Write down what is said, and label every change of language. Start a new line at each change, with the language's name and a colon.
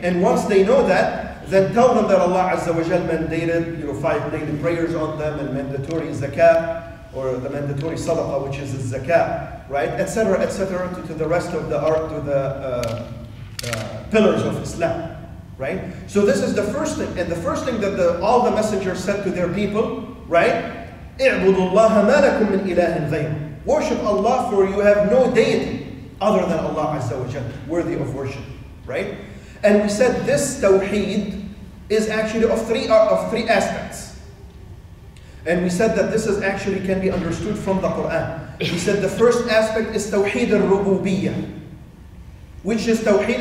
English: And once they know that, then tell them that Allah Azza wa Jal mandated five daily prayers on them and mandatory zakah, or the mandatory sadaqah, which is a zakah, right? Etc., etc., to the rest of the art, to the pillars of Islam, right? So this is the first thing. And the first thing that all the messengers said to their people, right?
Arabic: اعبدوا الله ما لكم من إله غيره.
English: Worship Allah, for you have no deity other than Allah Azza wa Jal worthy of worship, right? And we said this tawheed is actually of three aspects. And we said that this is actually can be understood from the Quran. We said the first aspect is tawheed al-rububiyyah, which is tawheed.